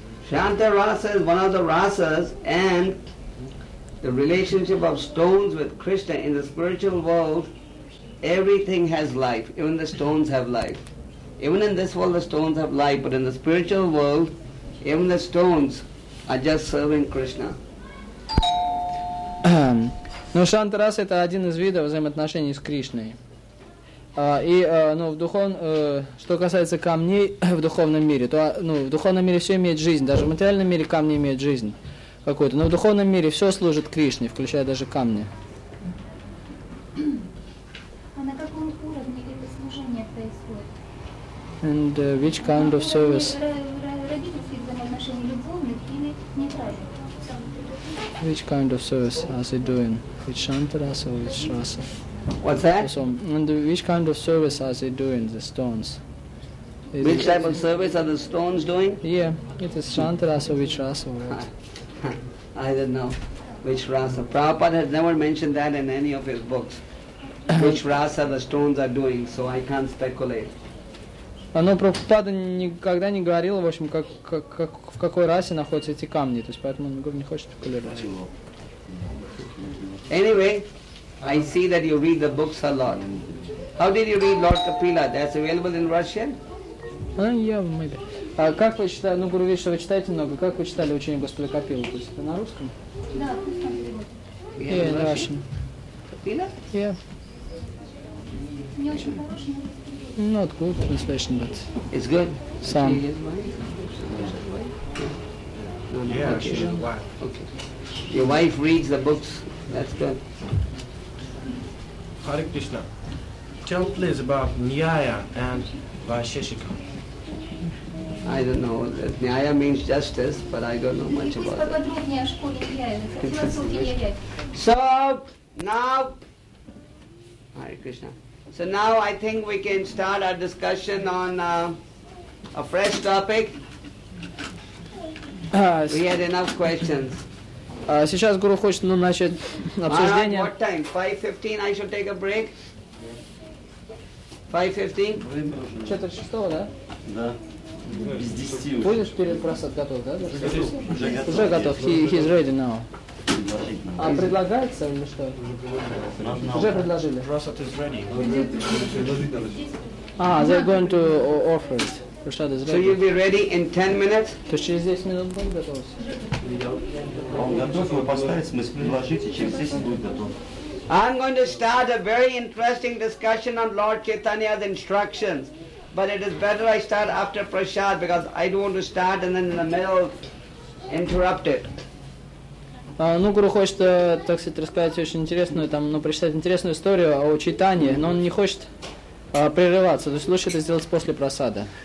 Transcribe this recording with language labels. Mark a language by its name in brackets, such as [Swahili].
[English] Shantarasa is one of the rasas, and the relationship of stones with Krishna in the spiritual world Everything has life. Even the stones have life. Even in this world, the stones have life. But in the spiritual world, even the stones are just serving Krishna. [Russian] Но Шантарас — это один из видов взаимоотношений с Кришной. Что касается камней в духовном мире, то в духовном мире все имеет жизнь. Даже в материальном мире камни имеют жизнь какую-то. Но в духовном мире все служит Кришне, включая даже камни. А на каком уровне это служение происходит? [English] And which kind of service? [Russian] Родительские взаимоотношения любовных или нейтральных? [English] Which kind of service are they doing? With Shantarasa or with Shrasa? What's that? So, and which kind of service are they doing, the stones? Which type of service are the stones doing? Yeah, it is Shantarasa or with Shrasa. I don't know which Rasa. Prabhupada has never mentioned that in any of his books, which Rasa the stones are doing, so I can't speculate. [Russian] Но Прабхупада никогда не говорил, в общем, как в какой расе находятся эти камни, то есть поэтому он не хочет спекулировать. [English] Anyway, I see that you read the books a lot. How did you read Lord Kapila? That's available in Russian? Yeah, maybe. [Russian] А как вы читали, Гуру Вишна, вы читаете много, как вы читали учение Господа Капилы? То есть это на русском? Да, на русском. [English] Yeah, in Russian. [Russian] Капила? [English] Yeah. [Russian] Не очень хороший. [English] Not good translation, but it's good. Some. Yeah, she's his wife. Okay. Your wife reads the books. That's good. Hare Krishna. Tell please about Nyaya and Vaisheshika. I don't know. Nyaya means justice, but I don't know much about it. So now, Hare Krishna. So now I think we can start our discussion on a fresh topic. We had enough questions. [Russian] Сейчас Гуру хочет начать обсуждение. [English] What time? 5:15. I should take a break. 5:15. [Russian] Четверть шестого, да? Да. Без десяти. Будешь перед просад готов, да? Уже готов. [English] He's ready now. [Russian] А предлагается или что? Уже предложили. [English] Prasad is ready. They're going to offer it. Prasad is ready. So you'll be ready in 10 minutes? [Russian] То есть через 10 минут будет готов. Он готов его поставить, мы предложите, через 10 будет готов. [English] I'm going to start a very interesting discussion on Lord Chaitanya's instructions. But it is better I start after Prasad, because I don't want to start and then in the middle interrupt it. [Russian] Гуру хочет, так сказать, рассказать очень интересную, прочитать интересную историю о Чайтанье, но он не хочет прерываться, то есть лучше это сделать после просада.